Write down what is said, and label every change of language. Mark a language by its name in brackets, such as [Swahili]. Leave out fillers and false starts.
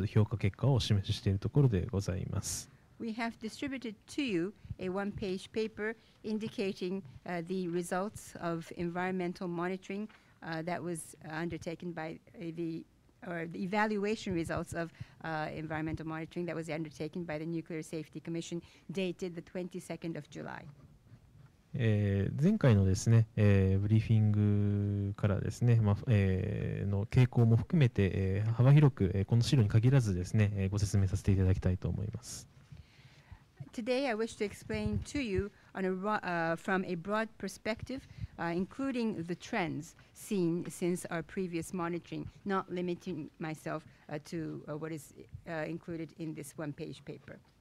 [Japanese] お手元にはですね、7月22日付の原子力安全委員会によります評価結果をお示ししているところでございます。 [English] We have distributed to you a one-page paper indicating the results of environmental monitoring that was undertaken by the or the evaluation results of environmental monitoring that was undertaken by the Nuclear Safety Commission dated the 22nd of July. [Japanese] 前回のですね、ブリーフィングからですね、の傾向も含めて、幅広く、この資料に限らずですね、ご説明させていただきたいと思います。 [English] Today I wish to explain to you on a from a broad perspective, including the trends seen since our previous monitoring, not limiting myself to what is included in this one-page paper.